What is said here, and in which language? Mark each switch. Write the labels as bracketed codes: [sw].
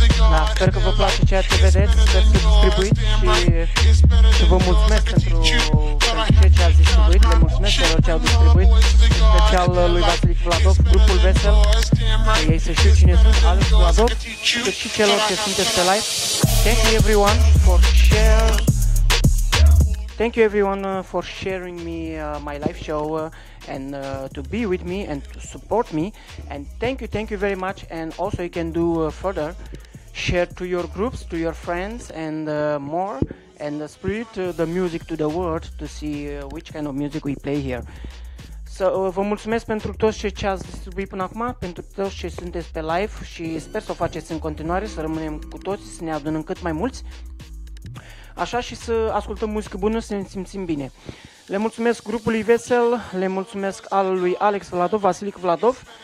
[ro] Da, sper că vă place ceea ce vedeți, sper că distribuiți și vă mulțumesc pentru ceea ce ați distribuit, le mulțumesc celor ce au distribuit, în special lui Vasilic Vladov, grupul Vesel, ei să știu cine sunt, Alex Vladov, cât și celor ce sunteți pe live. [en] Thank you everyone for share. Thank you everyone for sharing me my live show and to be with me and to support me, and thank you very much. And also you can do further, share to your groups, to your friends and more, and spread the music to the world to see which kind of music we play here. [ro] So vă mulțumesc pentru tot ce ați distribuit până acum, pentru tot ce sunteți pe live și sper să o faceți în continuare, să rămânem cu toți, să ne adunăm cât mai mulți. Așa și să ascultăm muzică bună, să ne simțim bine. Le mulțumesc grupului Vesel, le mulțumesc al lui Alex Vladov, Vasilic Vladov.